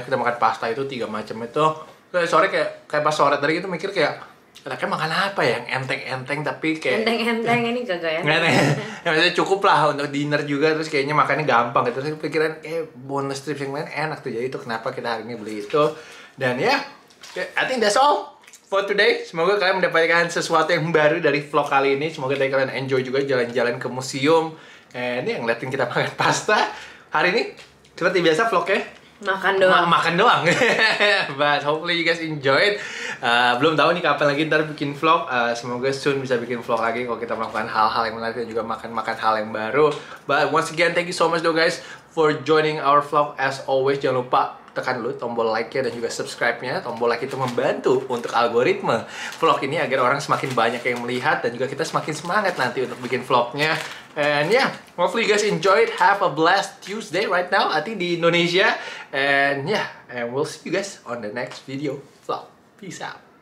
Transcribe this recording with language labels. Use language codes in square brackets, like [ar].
[id] Kita makan pasta itu tiga macam itu. Terus sore kayak pas sore tadi gitu mikir kayak enaknya makan apa yang enteng-enteng tapi kayak enteng-enteng ini kagak ya. Enteng. Maksudnya cukup lah untuk dinner juga terus kayaknya makannya gampang gitu. Terus kepikiran bonus strip yang lain enak tuh. Jadi itu kenapa kita hari ini beli itu. Dan ya, [en] yeah, I think that's all for today. [id] Semoga kalian mendapatkan sesuatu yang baru dari vlog kali ini. Semoga dari kalian enjoy juga jalan-jalan ke museum. And yang liatin kita makan pasta hari ini, seperti biasa vlognya makan doang. Makan doang. [en] But hopefully you guys enjoy it. [id] Belum tahu nih kapan lagi ntar bikin vlog. Semoga soon bisa bikin vlog lagi kalau kita melakukan hal-hal yang menarik dan juga makan-makan hal yang baru. [en] But once again, thank you so much though guys for joining our vlog. As always, [id] jangan lupa tekan dulu tombol like-nya dan juga subscribe-nya. Tombol like itu membantu untuk algoritma vlog ini agar orang semakin banyak yang melihat dan juga kita semakin semangat nanti untuk bikin vlognya. [en] And yeah, hopefully you guys enjoy it. Have a blessed Tuesday right now, I think [id] di Indonesia. [en] And yeah, and we'll see you guys on the next video vlog. Peace out.